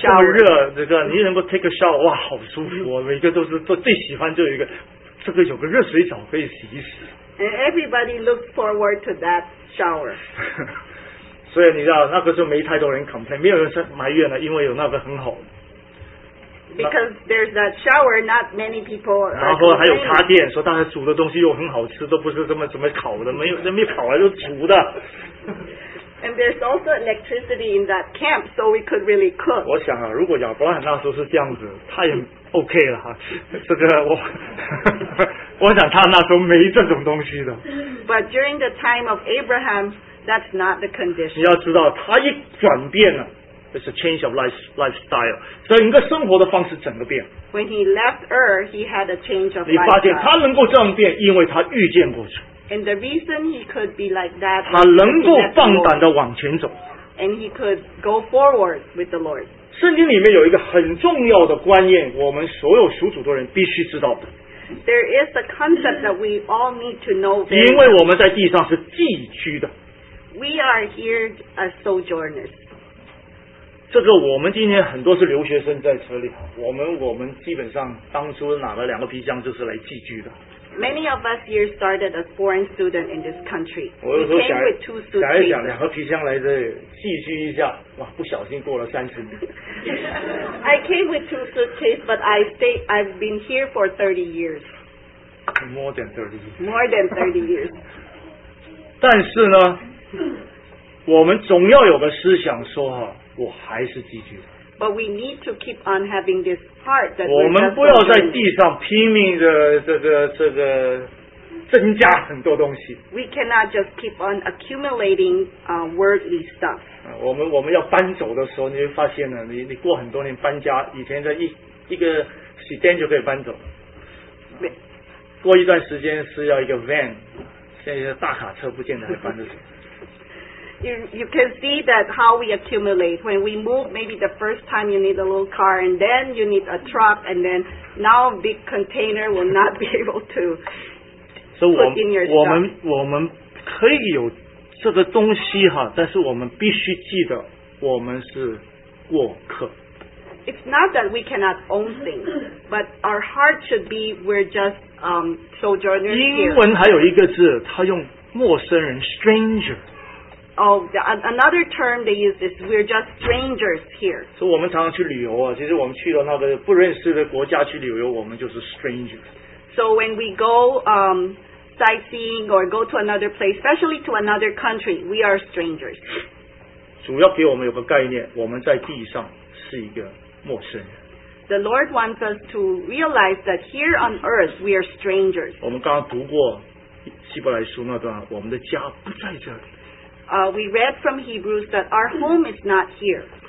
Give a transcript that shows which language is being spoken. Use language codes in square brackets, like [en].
[zh] 这么热，这个你能够 [en] take a shower， [zh] 哇，好舒服啊！每个都是最喜欢就有一个，这个有个热水澡可以洗一洗。 [en] And everybody looks forward to that shower. [zh] 所以你知道，那个时候没太多人 complain， 没有人埋怨了，因为有那个很好。 [en] Because there's that shower, not many people. [zh] 然后还有插电，说大家煮的东西又很好吃，都不是怎么烤的，没有那么烤啊，就煮的。 [en] And there's also electricity in that camp, so we could really cook. [zh] 我想啊，如果亚伯拉罕那时候是这样子，他也 OK 了哈。这个我，我想他那时候没这种东西的。 [en] But during the time of Abraham, that's not the condition. [zh] 你要知道，他一转变了。 [en] It's a change of lifestyle. [zh] 整个生活的方式整个变。 [en] When he left Ur, he had a change of lifestyle. [zh] 你发现他能够这样变，因为他遇见过主。 [en] And the reason he could be like that. [zh] 他能够放胆的往前走。 [en] And he could go forward with the Lord. [zh] 圣经里面有一个很重要的观念，我们所有属主的人必须知道的。 [en] There is a concept that we all need to know. [zh] 因为我们在地上是寄居的。 [en] We are here as sojourners. [zh] 这个我们今天很多是留学生在这里，我们基本上当初拿了两个皮箱就是来寄居的。 [en] Many of us here started as foreign students in this country. [zh] 我有时候想想一想，两个皮箱来这寄居一下，哇，不小心过了三十年。 [en] I came with two suitcases, but I've been here for 30 years. More than 30 years. More than 30 years. [zh] 但是呢，我们总要有个思想说哈。我还是寄居的。 [en] But we need to keep on having this heart that [zh] 我们不要在地上拼命的这个增加很多东西。 [en] We cannot just keep on accumulating worldly stuff. [zh] 我们要搬走的时候，你会发现呢，你过很多年搬家，以前在一个 sedan 就可以搬走。过一段时间是要一个 van， 现在大卡车不见得还搬得走。 [en] You can see that how we accumulate. When we move, maybe the first time you need a little car, and then you need a truck, and then now a big container will not be able to put in your stuff. [zh] 我们可以有这个东西哈，但是我们必须记得我们是过客。 [en] It's not that we cannot own things, but our heart should be we're just sojourners here. [zh] 英文还有一个字，他用陌生人 stranger。 [en] Oh, another term they use is we're just strangers here. [zh] So 我们常常去旅游啊，其实我们去到那个不认识的国家去旅游，我们就是 strangers. [en] So when we go sightseeing or go to another place, especially to another country, we are strangers. [zh] 主要给我们有个概念，我们在地上是一个陌生人。 [en] The Lord wants us to realize that here on earth we are strangers. [zh] 我们刚刚读过希伯来书那段，我们的家不在这里。 [en] We read from Hebrews that our home is not here.